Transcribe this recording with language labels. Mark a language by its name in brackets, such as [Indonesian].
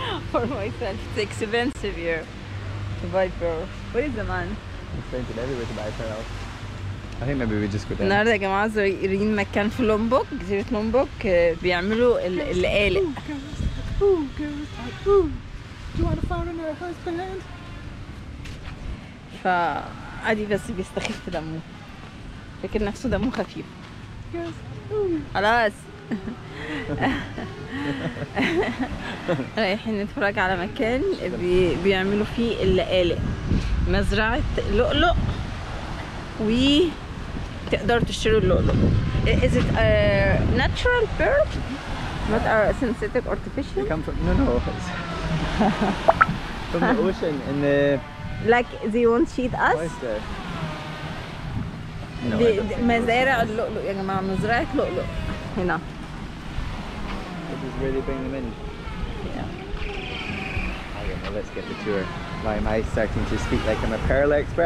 [English] For myself, it's expensive here to buy pearl. Where is the man? He's painted everywhere to buy pearl. I think maybe we just go down. [Arabic] النهارده يا جماعة زايرين مكان في لومبوك جزيرة لومبوك بيعملوا اللالئ. فا عادي بس بيستخف دمه. فاكر نفسه دمه خفيف. خلاص. رايحين نتفرج على مكان بيعملوا فيه اللالئ. مزرعة لؤلؤ و تقدر تشتري اللؤلؤ. [English] Is it a natural pearl? Not a synthetic artificial? It comes from, no, it's from the ocean and the... Like they won't cheat us? Oyster. No, [Arabic] مزارع اللؤلؤ يا جماعة, مزرعة لؤلؤ هنا. [English] This is where they bring them in. Yeah. I don't know, let's get the tour. Why am I starting to speak like I'm a pearl expert?